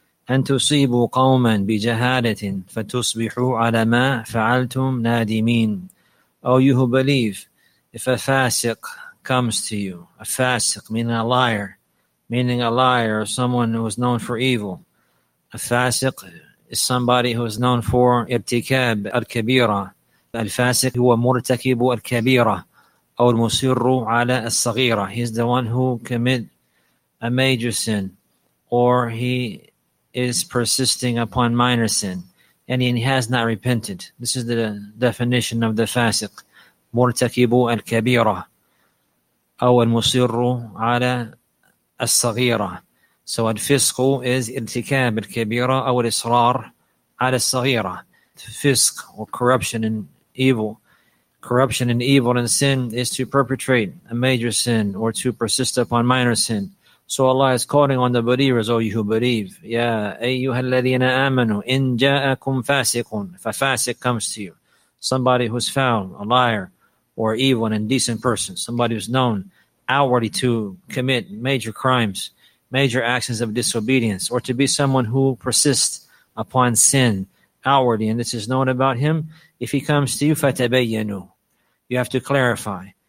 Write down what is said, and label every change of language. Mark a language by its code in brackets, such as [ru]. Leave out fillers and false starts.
[ar] أَن تُصِيبُوا قَوْمًا بِجَهَالَةٍ فَتُصْبِحُوا عَلَى مَا فَعَلْتُمْ نَادِمِينَ. [en] O you who believe, if a fasiq comes to you, a fasiq meaning a liar or someone who is known for evil. A fasiq is somebody who is known for [ar] ارتكاب الكبيرة. الفاسق هو مرتكب الكبيرة أو المصر على الصغيرة. [en] He's the one who commit a major sin, or he is persisting upon minor sin, and he has not repented. This is the definition of the fasiq, [ar] مرتكب الكبيرة أو المصر على الصغيرة. So الفسق is ارتكاب الكبيرة أو الإصرار على الصغيرة. [en] Fisq, or corruption and evil. Corruption and evil and sin is to perpetrate a major sin or to persist upon minor sin. So Allah is calling on the believers, O you who believe, [ar] ya ayyuhal ladhina amanu in ja'akum fasiqun. [en] If a fasiq comes to you, somebody who's found a liar or evil and indecent person, somebody who's known outwardly to commit major crimes, major actions of disobedience, or to be someone who persists upon sin outwardly, and this is known about him, if he comes to you, fatabayyanu, you have to clarify.